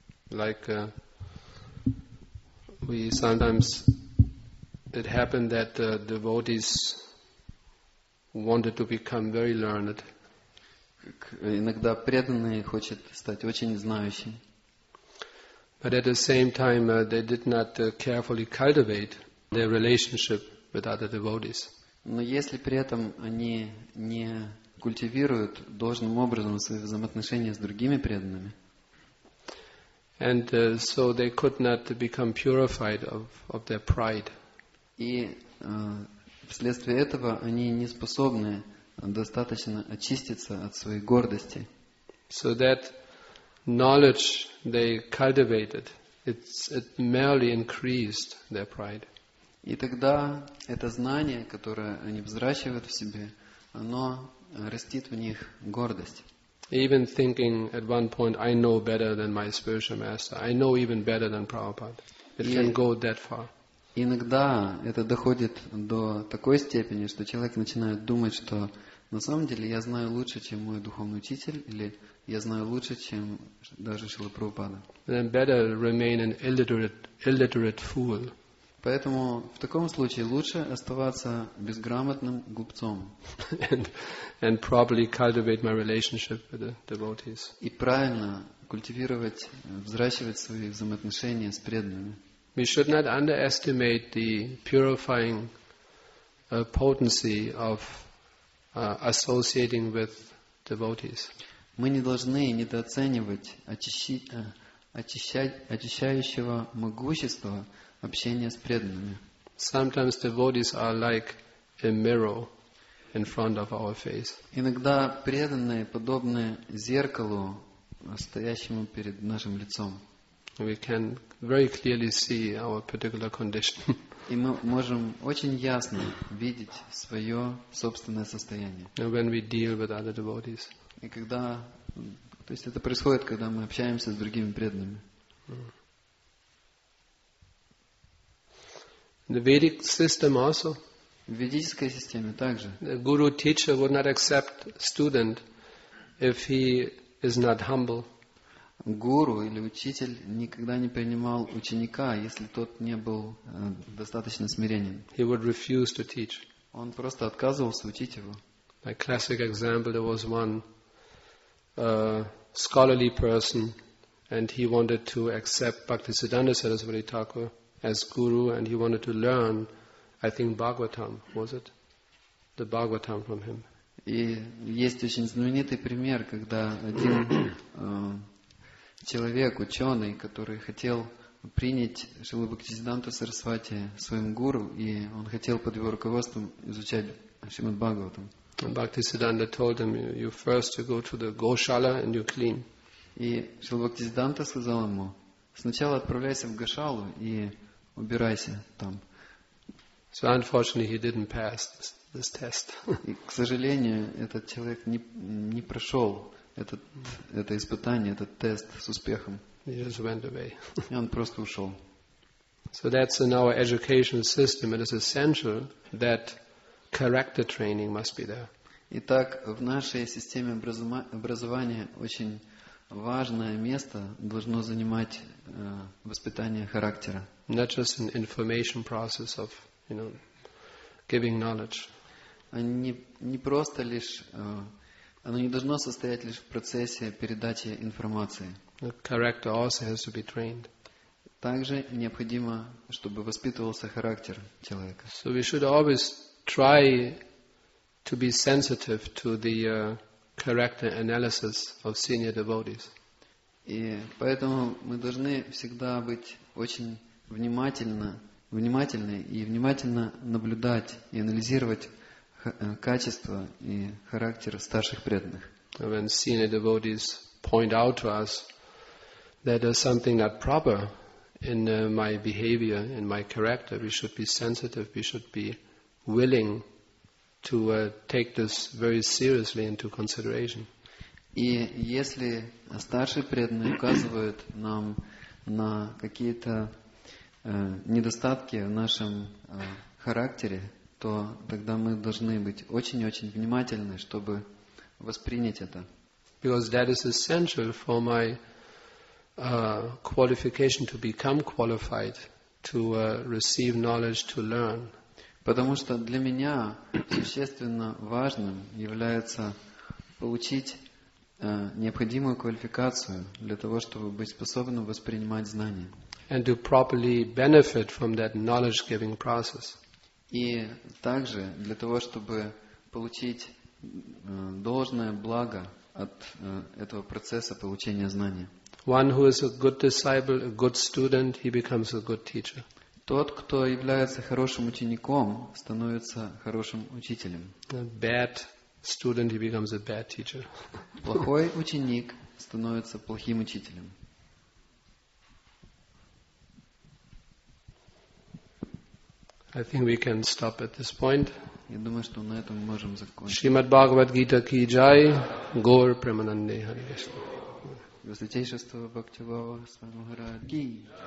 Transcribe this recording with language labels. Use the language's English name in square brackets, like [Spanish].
[English] Like we sometimes it happened that the devotees wanted to become very learned. [Russian] Иногда преданный хочет стать очень знающим. [English] But at the same time they did not carefully cultivate their relationship with other devotees. [Russian] Но если при этом они не культивируют должным образом свои взаимоотношения с другими преданными. [English] And so they could not become purified of their pride. [Russian] И вследствие этого они не способны достаточно очиститься от своей гордости. [English] So that knowledge they cultivated, it merely increased their pride. [Russian] И тогда это знание, которое они взращивают в себе, оно растит в них гордость. [English] Even thinking at one point, I know better than my spiritual master. I know even better than Prabhupada. It can go that far. [Russian] Иногда это доходит до такой степени, что человек начинает думать, что на самом деле я знаю лучше, чем мой духовный учитель, или я знаю лучше, чем даже Шрила Прабхупада. [English] Then better remain an illiterate fool. [Russian] Поэтому в таком случае лучше оставаться безграмотным глупцом. [English] And properly cultivate my relationship with the devotees. [Russian] И правильно культивировать, взращивать свои взаимоотношения с преданными. [English] We should not underestimate the purifying potency of associating with devotees. [Russian] Мы не должны недооценивать очищающего могущества общения с преданными. [English] Sometimes devotees are like a mirror in front of our face. [Russian] Иногда преданные подобны зеркалу, стоящему перед нашим лицом. [English] We can very clearly see our particular condition. [Russian] И мы можем очень ясно видеть свое собственное состояние. [English] When we deal with other devotees. [Russian] И когда, то есть это происходит, когда мы общаемся с другими преданными. [English] The Vedic system also. [Russian] В ведической системе также. [English] The guru teacher would not accept student if he is not humble. [Russian] Гуру или учитель никогда не принимал ученика, если тот не был достаточно смиренен. [English] He would refuse to teach. [Russian] Он просто отказывался учить его. [English] A classic example, there was one scholarly person, and he wanted to accept Bhaktisiddhanta Saraswati Thakur as guru, and he wanted to learn, I think, Bhagavatam, was it? The Bhagavatam from him. [Russian] И есть очень знаменитый пример, когда один человек, ученый, который хотел принять Шрилу Бхактисиддханту Сарасвати своим гуру, и он хотел под его руководством изучать Шримад Бхагаватам. [English] Бхактисиддханта told him, you first you go to the Goshala and you clean. [Russian] И Шрила Бхактисиддханта сказал ему, сначала отправляйся в Гошалу и убирайся там. [English] So unfortunately he didn't pass this test. [Russian] И, к сожалению, этот человек не прошел это испытание, этот тест с успехом. [English] He just went away. [Russian] И он просто ушел. [English] So that's in our education system. It is essential that character training must be there. [Russian] Итак, в нашей системе образования очень важное место должно занимать воспитание характера. [English] Not just an information process of, you know, giving knowledge. [Russian] Не просто лишь оно не должно состоять лишь в процессе передачи информации. [English] The character also has to be trained. [Russian] Также необходимо, чтобы воспитывался характер человека. [English] So we should always try to be sensitive to the character analysis of senior devotees. [Russian] И поэтому мы должны всегда быть очень внимательны и внимательно наблюдать и анализировать качество и характер старших преданных. [English] When senior devotees point out to us that there's something not proper in my behavior, in my character, we should be sensitive, we should be willing to take this very seriously into consideration. [Russian] И если старшие преданные указывают нам на какие-то недостатки в нашем характере, то тогда мы должны быть очень-очень внимательны, чтобы воспринять это. [English] Because that is essential for my qualification to become qualified, to receive knowledge, to learn. [Russian] Потому что для меня существенно важным является получить необходимую квалификацию для того, чтобы быть способным воспринимать знания. [English] And to properly benefit from that knowledge-giving process. [Russian] И также для того, чтобы получить должное благо от этого процесса получения знания. [English] One who is a good disciple, a good student, he becomes a good teacher. [Russian] Тот, кто является хорошим учеником, становится хорошим учителем. [English] A bad student, he becomes a bad teacher. [Russian] Плохой ученик становится плохим учителем. [English] I think we can stop at this point. [Russian] Я думаю, что на этом мы можем закончить. Шримад Бхагавад Гита ки джай, Гаур Премананде Хари Кришна. Высочайшество Бхакти Бхава Самахарад ки джай.